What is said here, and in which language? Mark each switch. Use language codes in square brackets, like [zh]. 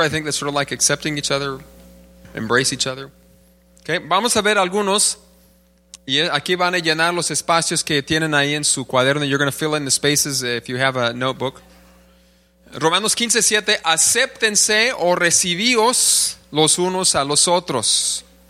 [en] I think that's sort of like accepting each other, embrace each other. [es] Okay, vamos a ver algunos. Y aquí van a llenar los espacios que tienen ahí en su cuaderno. [en] You're going to fill in the spaces if you have a notebook. [es] Romanos 15:7, acéptense o recibíos los unos a los otros.